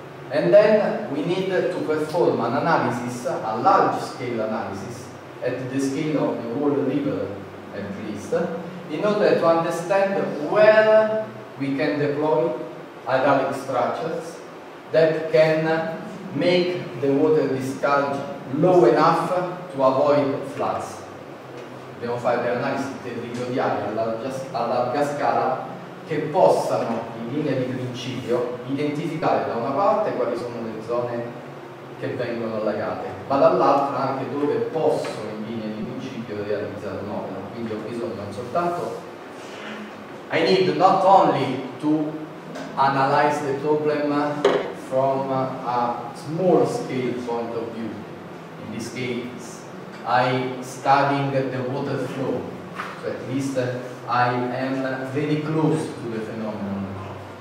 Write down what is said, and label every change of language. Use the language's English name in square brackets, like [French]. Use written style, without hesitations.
[English] And then we need to perform an analysis, a large scale analysis, at the scale of the whole river at least, in order to understand where we can deploy hydraulic structures that can make the water discharge low enough to avoid floods. [Italian] Dobbiamo fare delle analisi territoriali a larga scala che possano, in linea di principio, identificare da una parte quali sono le zone che vengono allagate, ma dall'altra anche dove posso, in linea di principio, realizzare un'opera. Quindi ho bisogno non soltanto... [English] I need not only to analyze the problem from a small scale point of view. In this case, I studying the water flow. So at least I am very close to the phenomenon.